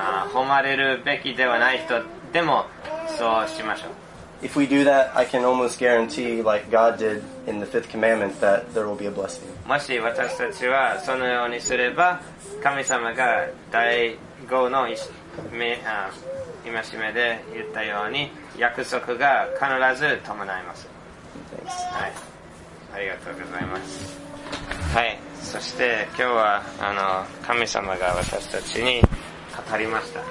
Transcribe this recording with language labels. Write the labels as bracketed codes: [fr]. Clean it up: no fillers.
[ja] 褒まれるべきではない人でもそうしましょう。 [en] If we do that, I can almost guarantee, like God did in the fifth commandment, that there will be a blessing. [ja] もし私たちはそのようにすれば、神様が第五の戒めで言ったように、約束が必ず伴います。 [en] Thanks. [ja] はい。ありがとうございます。はい。そして今日は神様が私たちに語りました。